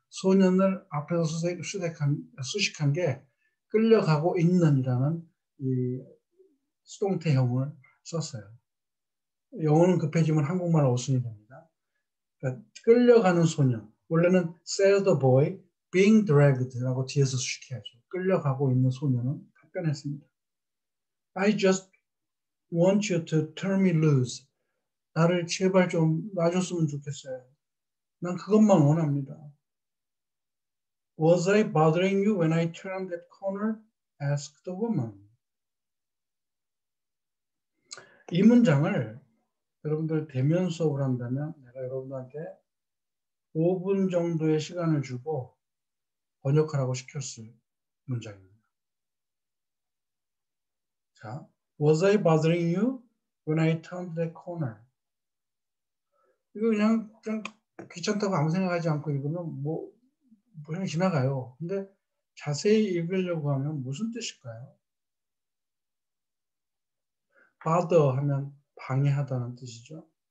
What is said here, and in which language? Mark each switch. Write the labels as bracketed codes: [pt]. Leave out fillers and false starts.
[ko] 소년을 앞에서 수식한 게 끌려가고 있는이라는 이 수동태형을 썼어요. 영어는 급해지면 한국말 어순이 됩니다. 그러니까 끌려가는 소년. 원래는 [en] sail the boy being dragged [ko] 라고 뒤에서 수식해야죠. 끌려가고 있는 소년은 답변했습니다. [en] I just want you to turn me loose. [ko] 나를 제발 좀 놔줬으면 좋겠어요. 난 그것만 원합니다. [en] Was I bothering you when I turned that corner? asked the woman. [ko] 이 문장을 여러분들 대면 수업을 한다면 내가 여러분들한테 5분 정도의 시간을 주고 번역하라고 시켰을 문장입니다. [en] 자, Was I bothering you when I turned the corner? [ko] 이거 그냥 좀 귀찮다고 아무 생각하지 않고 읽으면 뭐 그냥 지나가요. 근데 자세히 읽으려고 하면 무슨 뜻일까요? bother 하면 방해하다는 뜻이죠.